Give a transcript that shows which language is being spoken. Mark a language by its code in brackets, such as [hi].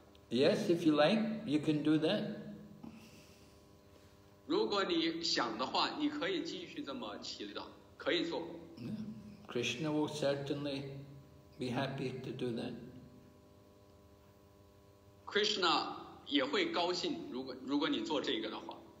[en] Yes, if you like, you can do that. [zh] 如果你想的话，你可以继续这么祈祷，可以做。 [en] Krishna will certainly be happy to do that. [zh] Krishna. 也会高兴如果你做这个的话、